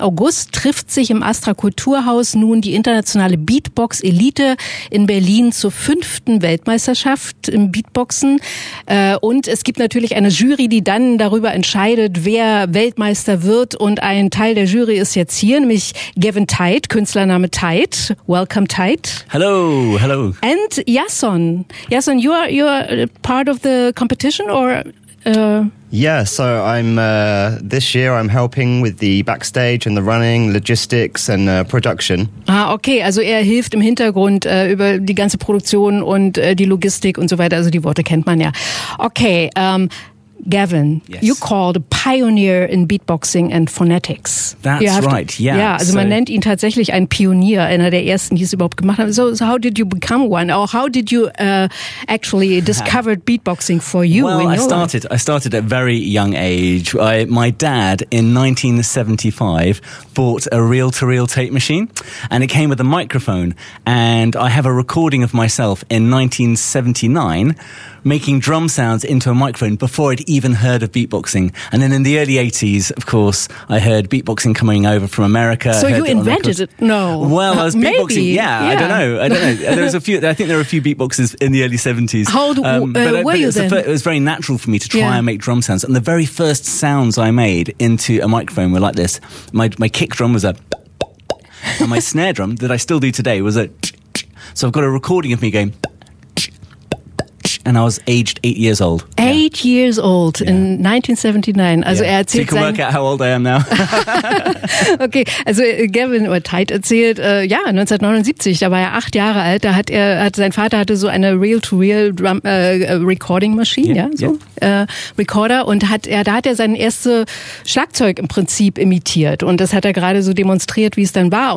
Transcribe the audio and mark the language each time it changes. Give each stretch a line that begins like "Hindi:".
German: August trifft sich im Astra Kulturhaus nun die internationale Beatbox-Elite in Berlin zur 5. Weltmeisterschaft im Beatboxen. Und es gibt natürlich eine Jury, die dann darüber entscheidet, wer Weltmeister wird. Und ein Teil der Jury ist jetzt hier, nämlich Gavin Tite, Künstlername Tite.
English: Welcome, Tite. Hello, hello. And Yason. Yason, you are part of the competition or... Yeah, so I'm this year I'm helping with the backstage and the running, logistics and production.
German: Ah, okay, also er hilft im Hintergrund über die ganze Produktion und die Logistik und so weiter, also die Worte kennt man ja.
English: Okay, Gavin, yes. You called a pioneer in beatboxing and phonetics. That's right, yeah.
German: Yeah, also so. Man nennt ihn tatsächlich ein Pionier, einer der ersten, die es überhaupt gemacht haben.
English: So how did you become one? Or how did you actually discovered beatboxing for you? Well, I started at a very young age. My dad, in 1975, bought a reel-to-reel tape machine, and it came with a microphone. And I have a recording of myself in 1979 making drum sounds into a microphone before I'd even heard of beatboxing. And then in the early 80s, of course, I heard beatboxing coming over from America. So you invented it? No. Well, I was beatboxing. Yeah. I don't know. I think there were a few beatboxers in the early 70s. How old were you then? It was very natural for me to try and make drum sounds. And the very first sounds I made into a microphone were like this. My kick drum was a... and my snare drum, that I still do today, was a... So I've got a recording of me going... And I was aged 8 years old. Years old, yeah. In 1979. Also yeah.
German: Er erzählt,
English: so you can work out how old I am now.
German: Okay, also Gavin oder Tite erzählt, 1979, da war er 8 Jahre alt, sein Vater hatte so eine Reel-to-Reel-Recording-Maschine, Recorder, und da hat er sein erstes Schlagzeug im Prinzip imitiert, und das hat er gerade so demonstriert, wie es dann war.